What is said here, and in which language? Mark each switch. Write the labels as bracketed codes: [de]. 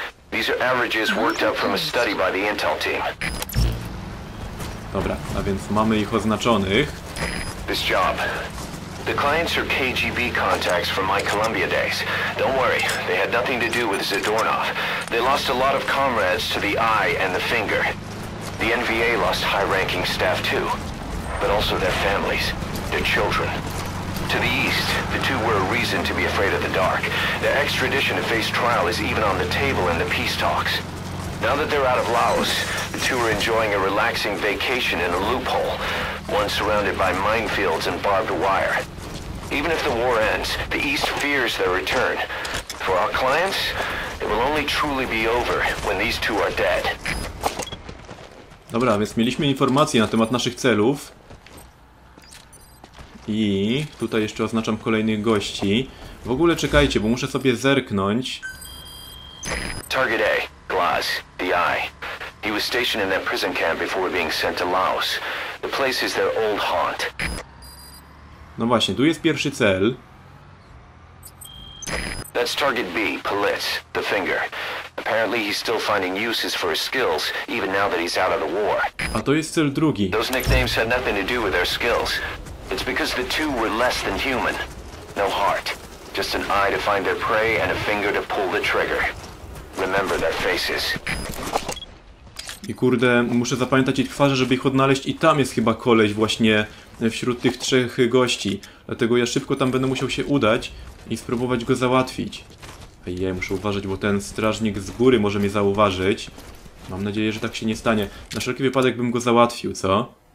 [en] These are averages worked up from a study by the intel team. [pl] Dobra, a więc mamy ich oznaczonych. [en] This job. The clients are KGB contacts from my Columbia days. Don't worry, they had nothing to do with Zadornov. They lost a lot of comrades to the eye and the finger. The NVA lost high-ranking staff too. But also their families, their children. To the east, the two were a reason to be afraid of the dark. Their extradition to face trial is even on the table in the peace talks. Now that they're out of Laos, the two are enjoying a relaxing vacation in a loophole, one surrounded by minefields and barbed wire. Even if the war ends, the east fears their return. For our clients, it will only truly be over when these two are dead. [pl] Dobra, więc mieliśmy informacje na temat naszych celów. I tutaj jeszcze oznaczam kolejnych gości. W ogóle czekajcie, bo muszę sobie zerknąć. [en] Target A, Glaz, the eye. He was stationed in that prison camp before being sent to Laos. The place is their old haunt. [pl] No właśnie, tu jest pierwszy cel. [en] That's target B, Palitz, the finger. Apparently he's still finding uses for his skills, even now that he's out of the war. [pl] A to jest cel drugi. [en] Those nicknames had nothing to do with their skills. It's because the two were less than human. No heart. Just an eye to find their prey and a finger to pull the trigger. Remember their faces. [pl] I kurde, muszę zapamiętać ich twarze, żeby ich odnaleźć. I tam jest chyba koleś właśnie wśród tych trzech gości. Dlatego ja szybko tam będę musiał się udać i spróbować go załatwić. Ejej, muszę uważać, bo ten strażnik z góry może mnie zauważyć. Mam nadzieję, że tak się nie stanie. Na wszelki wypadek bym go załatwił, co?